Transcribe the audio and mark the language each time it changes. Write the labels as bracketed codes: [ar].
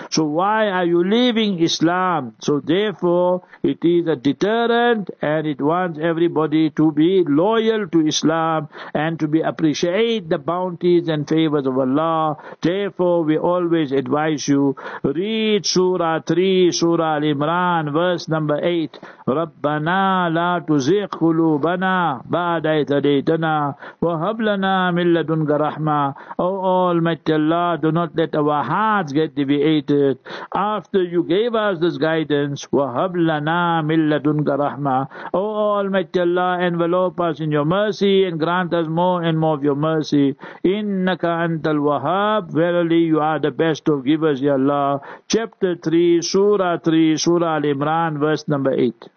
[en] So why are you leaving Islam? So therefore, it is a deterrent and it wants everybody to be loyal to Islam and to be appreciate the bounties and favors of Allah. Therefore, we always advise you, read Surah 3, Surah Al-Imran, verse number 8. [ar] رَبَّنَا لَا تُزِغْ قُلُوبَنَا بَعْدَ إِذْ هَدَيْتَنَا وَهَبْ لَنَا مِنْ لَدُنْكَ رَحْمَةً [en] O Almighty Allah, do not let our hearts get deviated. After you gave us this guidance, [ar] وَهَبْ لَنَا مِنْ لَدُنْكَ رَحْمَةً [en] O Almighty Allah, envelope us in your mercy and grant us more and more of your mercy. [ar] إِنَّكَ أَنْتَ الْوَهَابُ [en] Verily, you are the best of givers, Ya Allah. Chapter 3, Surah 3, Surah Al-Imran, verse number 8.